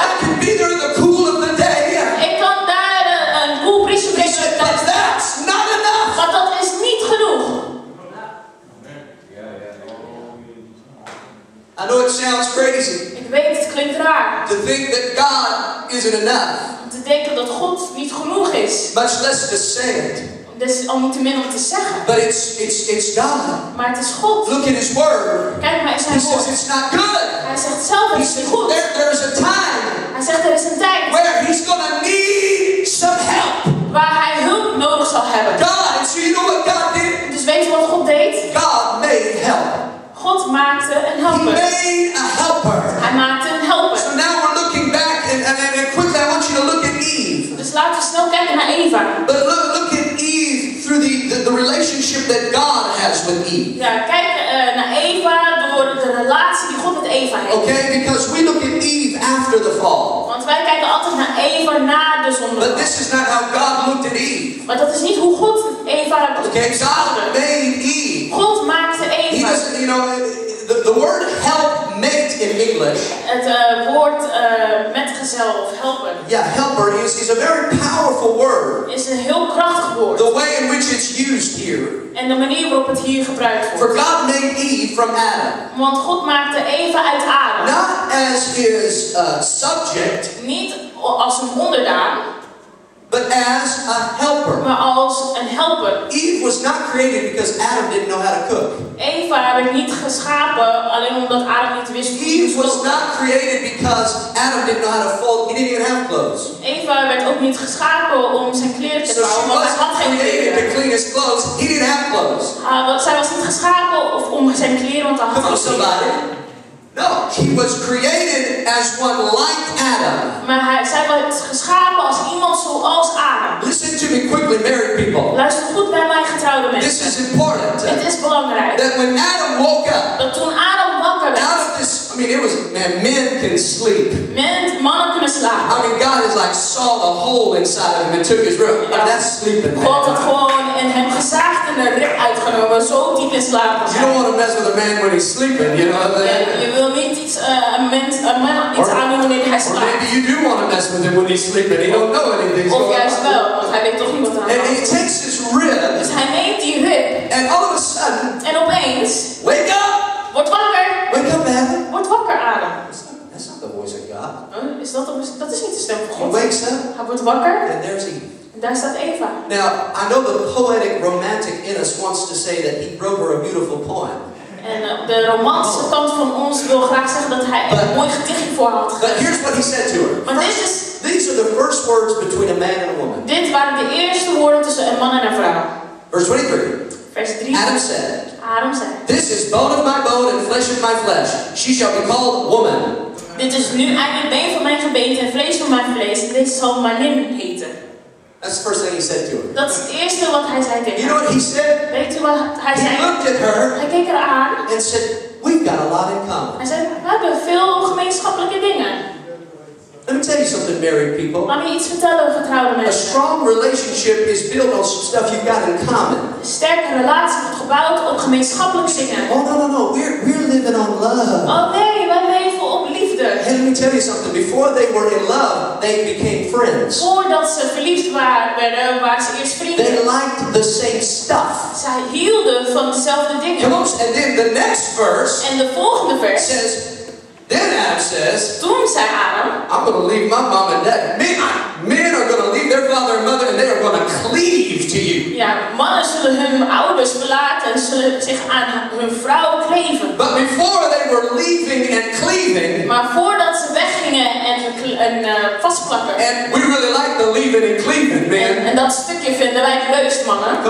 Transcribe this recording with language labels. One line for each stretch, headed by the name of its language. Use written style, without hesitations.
English: I can be there in the cool of the day.
Dutch: Ik kan daar een cool briesje brengen.
English: But that's not enough.
Dutch: Maar dat is niet genoeg.
English: I know it sounds crazy.
Dutch: Ik weet het klinkt raar.
English: To think that God isn't enough.
Dutch: Te denken dat God niet genoeg is.
English: Much less to say it.
Dutch: Dus al niet te min om te zeggen.
English: But it's God.
Dutch: Maar het is God.
English: Look at His word.
Dutch: Kijk maar in zijn
English: He
Dutch: woord.
English: Says it's not good.
Dutch: Hij zegt zelf dat het niet goed.
English: There is a time.
Dutch: Hij zegt er is een tijd.
English: Where He's gonna need some help.
Dutch: Waar hij hulp nodig zal hebben.
English: God, so you know what God did?
Dutch: Dus weet je wat God deed?
English: God made help.
Dutch: God maakte een helper.
English: He made a helper.
Dutch: Hij maakte een helper.
English: So now we're looking back and quickly I want you to look at Eve.
Dutch: Dus laten we snel kijken naar Eva.
English: But look at Eve through the relationship that God has with Eve.
Dutch: Ja, kijk naar Eva door de relatie die God met Eva heeft.
English: Okay, because we look at Eve after the fall.
Dutch: Want wij kijken altijd naar Eva na de zonde.
English: But this is not how God looked at Eve.
Dutch: Maar dat is niet hoe God Eva had bedoeld.
English: Okay, God made Eve.
Dutch: God maakte Eva.
English: He doesn't, you know, the word help mate in English.
Dutch: Het woord metgezel of helper.
English: Yeah, helper is a very powerful word.
Dutch: Is een heel krachtig woord.
English: The way in which it's used here.
Dutch: En de manier waarop het hier gebruikt wordt.
English: For God made Eve from Adam.
Dutch: Want God maakte Eva uit Adam.
English: Not as his subject.
Dutch: Niet als een onderdaan.
English: But as a helper.
Dutch: Maar als een helper.
English: Eve was not created because Adam didn't know how to cook.
Dutch: Eva werd niet geschapen alleen omdat Adam niet wist hoe te koken.
English: Eve was not created because Adam didn't know how to fold. He didn't even have clothes.
Dutch: Eva werd ook niet geschapen om zijn kleren te vouwen, want hij had geen kleren.
English: So she wasn't created to clean his clothes. He didn't have clothes.
Dutch: Zij was niet geschapen of om zijn kleren, want hij had geen kleren.
English: No, he was created as one like Adam.
Dutch: Maar zij werd geschapen als iemand zoals Adam.
English: Listen to me quickly, married people.
Dutch: Luister goed bij mij, getrouwde mensen.
English: This is important.
Dutch: Het is belangrijk.
English: That when Adam woke up.
Dutch: Dat toen Adam wakker werd.
English: Out of this, I mean, it was man. Men can sleep.
Dutch: Mannen kunnen slapen.
English: I mean, God is like saw a hole inside of him and took his robe. Yeah. That's sleeping.
Dutch: God had gewoon in hem gezaagd en een rib uitgenomen, zo diep in slaap.
English: You don't want to mess with a man when he's sleeping, you know. Yeah.
Dutch: Wil niet iets een man iets aandoen wanneer hij slaapt.
English: Maybe you do want to mess with him when he's sleeping. He don't know anything.
Dutch: Of juist wel, want hij weet toch niet wat aan.
English: And he takes his rib.
Dutch: Dus hij neemt die rib.
English: And all of a sudden.
Dutch: En opeens.
English: Wake up.
Dutch: Word wakker.
English: Wake up, man.
Dutch: Word wakker, Adam.
English: That's not the voice of God. Huh?
Dutch: Is dat is niet de stem van God.
English: He wakes up.
Dutch: Hij wordt wakker.
English: And there's Eve.
Dutch: Daar staat Eva.
English: Now I know the poetic romantic in us wants to say that he wrote her a beautiful poem.
Dutch: En de romantische kant van ons wil graag zeggen dat hij een mooi gedichtje voor had.
English: But here's what he said to her. These are the first words between a man and a woman.
Dutch: Dit waren de eerste woorden tussen een man en een vrouw.
English: Verse 23.
Dutch: Vers 3.
English: Adam said. This is bone of my bone and flesh of my flesh. She shall be called woman.
Dutch: Dit is nu eigenlijk been van mijn gebeente en vlees van mijn vlees. En deze zal manin heten.
English: That's the first thing he said to her.
Dutch: Dat is het eerste wat hij zei tegen haar.
English: You know what he said?
Dutch: Weet u wat hij zei?
English: He looked at her.
Dutch: Hij keek haar aan.
English: And said, we've got a lot in common.
Dutch: Hij zei, we hebben veel gemeenschappelijke dingen.
English: Let me tell you something, married people.
Dutch: Laat me iets vertellen over getrouwde mensen.
English: A strong relationship is built on stuff you've got in common.
Dutch: Een sterke relatie wordt gebouwd op gemeenschappelijke dingen.
English: Oh no. We're living on love.
Dutch: Oh nee, wij leven op liefde.
English: Hey, let me tell you something. Before they were in love, they became friends.
Dutch: Voordat ze verliefd waren ze eerst vrienden.
English: They liked the same stuff.
Dutch: Zij hielden van dezelfde dingen.
English: Come on, and then the next verse.
Dutch: En de volgende vers
English: says. Then Adam says,
Dutch: toen zei Adam,
English: I'm going to leave my mom and dad. Men are going to leave their father and mother and they are going to cleave to you.
Dutch: Ja, mannen zullen hun ouders verlaten en zullen zich aan hun vrouw kleven.
English: But before they were leaving and cleaving,
Dutch: maar voordat ze weggingen en vastplakken.
English: And we really like the leaving and cleaving, man. En dat stukje vinden wij het leukst, mannen.